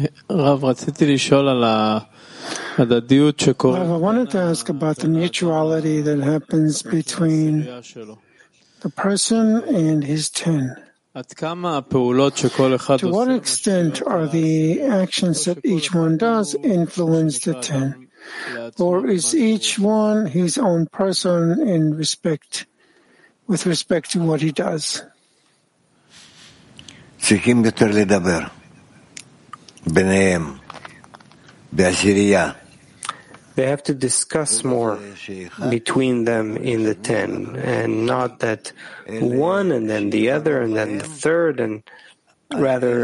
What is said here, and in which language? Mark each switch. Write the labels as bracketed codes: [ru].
[he] Rav, רציתי לשאול על הדדיות שקורה. [en] Rav, I wanted to ask about the mutuality that happens between the person and his ten. To what extent are the actions that each one does influence the ten? Or is each one his own person with respect to what he does? [he] צריכים יותר לדבר ביניהם בעשירייה. [en] They have to discuss more between them in the ten, and not that one and then the other and then the third, and rather